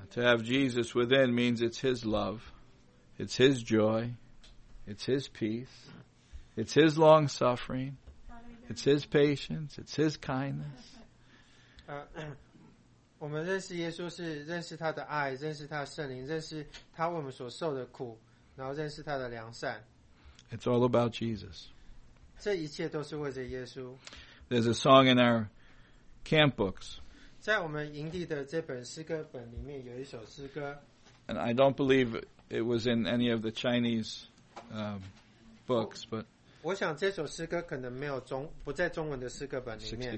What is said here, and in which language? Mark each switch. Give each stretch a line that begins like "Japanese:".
English: To have Jesus within means it's His love, it's His joy, it's His peace, it's His long suffering, it's His patience, it's His kindness.
Chinese: 我们认识耶稣是认识他的爱，认识他的圣灵，认识他为我们所受的苦，然后认识他的良善。
English: It's all about Jesus.
Chinese: 这一切都是为着耶稣。
English: There's a song in our camp books.
Chinese: 在我们营地的这本诗歌本里面有一首诗歌。
English: And I don't believe it was in any of the Chinese books, but
Chinese: 我想这首诗歌可能没有中不在中文的诗歌本里面。